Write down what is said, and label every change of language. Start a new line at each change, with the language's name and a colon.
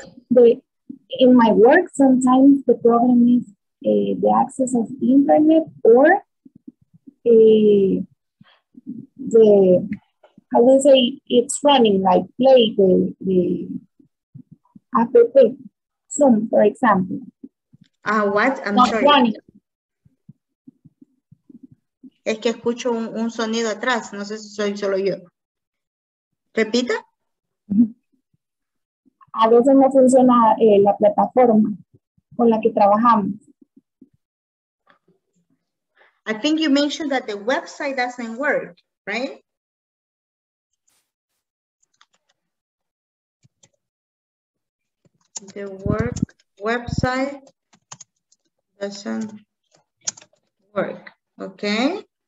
English: In my work, sometimes the problem is the access of internet or the, how do you say, it's running, like play the app, Zoom, for example. What? I'm not sorry. Running.
Spanish: Es que escucho un sonido atrás, no sé si soy solo yo. Repita. A veces no funciona la plataforma con la que trabajamos.
English: I think you mentioned that the website doesn't work, right? The work website doesn't work, okay?